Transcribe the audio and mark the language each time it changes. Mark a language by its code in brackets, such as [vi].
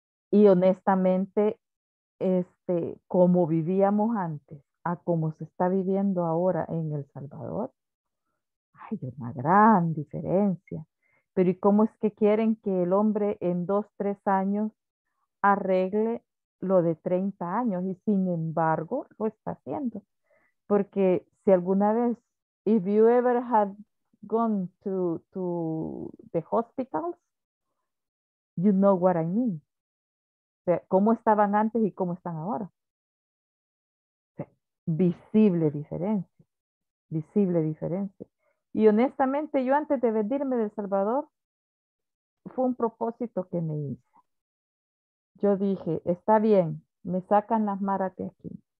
[es] Y honestamente, como vivíamos antes, a como se está viviendo ahora en El Salvador, hay una gran diferencia. Pero ¿y cómo es que quieren que el hombre en 2, 3 años arregle lo de 30 años? Y sin embargo, lo está haciendo. Porque si alguna vez, [en] if you ever had gone to the hospitals, you know what I mean. [es] O sea, ¿cómo estaban antes y cómo están ahora? O sea, visible diferencia, visible diferencia. Y honestamente, yo antes de venirme de El Salvador, fue un propósito que me hice. Yo dije, está bien, me sacan las maras de aquí.